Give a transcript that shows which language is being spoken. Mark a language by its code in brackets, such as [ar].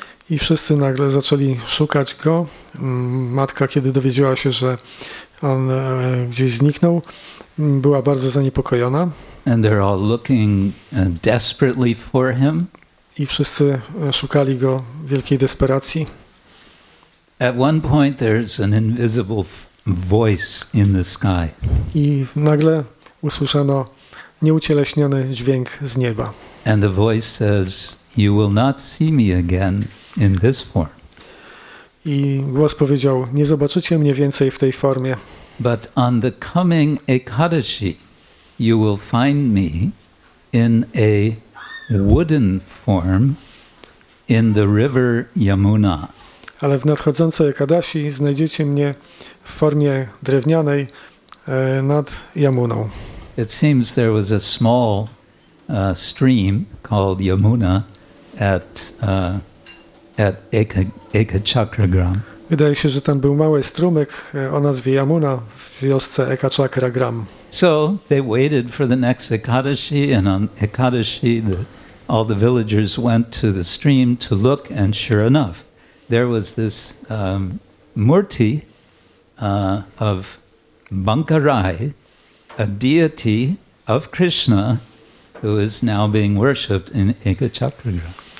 [pl] I wszyscy nagle zaczęli szukać go. Matka, kiedy dowiedziała się, że on gdzieś zniknął, była bardzo zaniepokojona. [en] And they're all looking desperately for him. [pl] I wszyscy szukali go w wielkiej desperacji. [en] At one point there's an invisible voice in the sky. [pl] I nagle usłyszano nieucieleśniony dźwięk z nieba. [en] And the voice says, "You will not see me again in this form." [pl] I głos powiedział, nie zobaczycie mnie więcej w tej formie. [en] But on the coming Ekadashi, you will find me in a wooden form in the river Yamuna. [pl] Ale w nadchodzącej Ekadashi znajdziecie mnie w formie drewnianej nad Yamuną. [en] It seems there was a small stream called Yamuna at Ekachakragram. [pl] Wydaje się, że tam był mały strumyk o nazwie Yamuna w wiosce Ekachakragram. [en] So they waited for the next Ekadashi, and on Ekadashi all the villagers went to the stream to look, and sure enough, there was this murti of Bankarai, a deity of Krishna, who is now being worshipped in Ekachakragram.